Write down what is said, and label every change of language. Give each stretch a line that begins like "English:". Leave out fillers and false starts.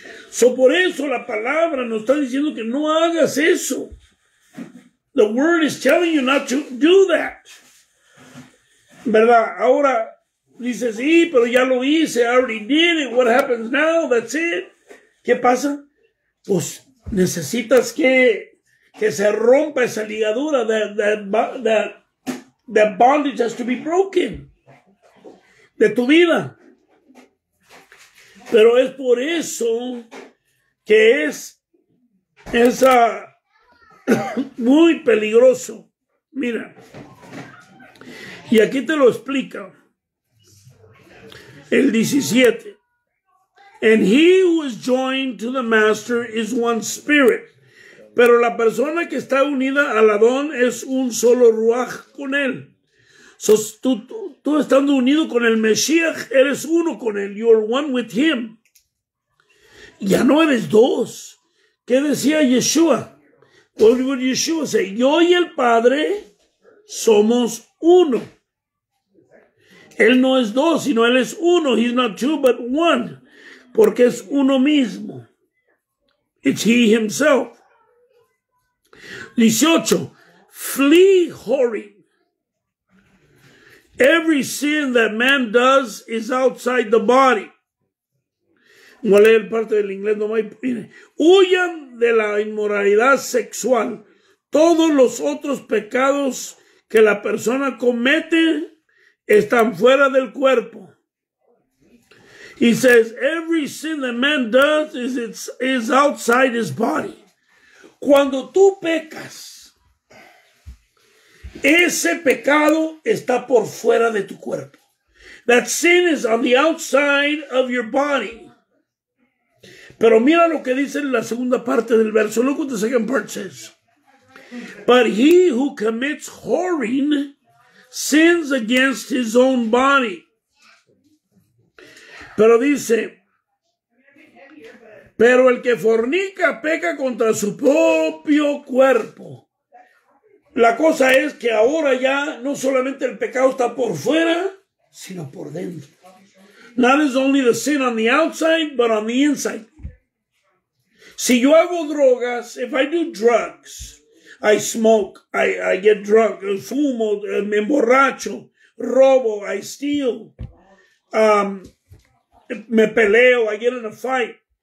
Spanish: So por eso la palabra nos está diciendo que no hagas eso.
English: The word is telling you not to do that.
Spanish: ¿Verdad? Ahora dices, sí, pero ya lo hice.
English: I already did it. What happens now? That's it.
Spanish: ¿Qué pasa? Pues necesitas que se rompa esa ligadura.
English: That bondage has to be broken.
Spanish: De tu vida. Pero es por eso que es esa... muy peligroso. Mira, y aquí te lo explica el 17.
English: And he who is joined to the master is one spirit.
Spanish: Pero la persona que está unida al Adón es un solo ruaj con él. So, tú estando unido con el Mashiach, eres uno con él.
English: You are one with him.
Spanish: Ya no eres dos. ¿Qué decía Yeshua?
English: What would Yeshua say?
Spanish: Yo y el Padre somos uno. Él no es dos, sino Él es uno.
English: He's not two, but one.
Spanish: Porque es uno mismo.
English: It's He Himself. 18. Flee whoring. Every sin that man does is outside the body.
Spanish: Voy a leer parte del inglés, no me... Huyan de la inmoralidad sexual. Todos los otros pecados que la persona comete están fuera del cuerpo.
English: He says, every sin that man does is outside his body.
Spanish: Cuando tú pecas, ese pecado está por fuera de tu cuerpo.
English: That sin is on the outside of your body.
Spanish: Pero mira lo que dice en la segunda parte del verso.
English: Look what the second part says. But he who commits whoring sins against his own body.
Spanish: Pero dice, pero el que fornica peca contra su propio cuerpo. La cosa es que ahora ya no solamente el pecado está por fuera, sino por dentro.
English: Not is only the sin on the outside, but on the inside.
Spanish: Si yo hago drogas,
English: if I do drugs, I smoke, I get drunk,
Spanish: fumo, me emborracho, robo,
English: I steal,
Spanish: me peleo,
English: I get in a fight.